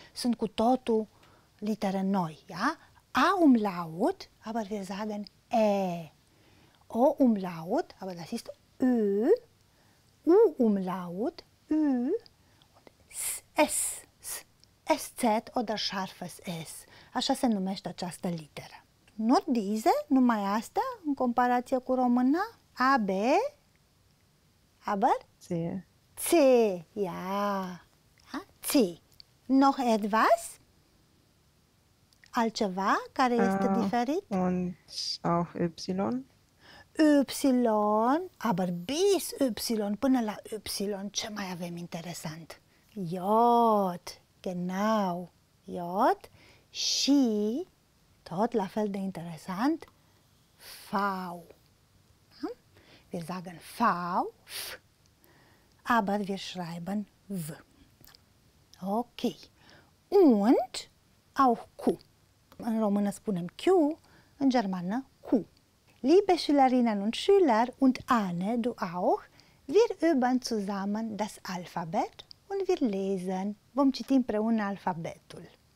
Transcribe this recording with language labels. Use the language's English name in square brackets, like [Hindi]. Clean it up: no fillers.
[Romanian] Sunt cu totul litere noi, ja? [German] A umlaut, aber wir sagen E. O umlaut, aber das ist Ö. U umlaut, Ü. Und S, S, S, SZ oder scharfes S. [Romanian] Așa se numește această literă. Nu dize, numai asta, în comparație cu română. [German] A, B, aber? C. C, ja. Ha? C. Noch etwas? [Romanian] Altceva care este diferit? [German] Und Y. [Romanian] Y, [German] aber bis Y, [Romanian] până la Y, ce mai avem interesant? J, genau, J. Și, tot la fel de interesant, V. [German] Wir sagen V, F, aber wir schreiben V. Ok. Und auch Q. [Romanian] În română spunem Q, în germană Q. [German] Liebe Schülerinnen und Schüler und Anne, du auch, wir üben zusammen das Alphabet und wir lesen. [Romanian] Vom citi împreună alfabetul.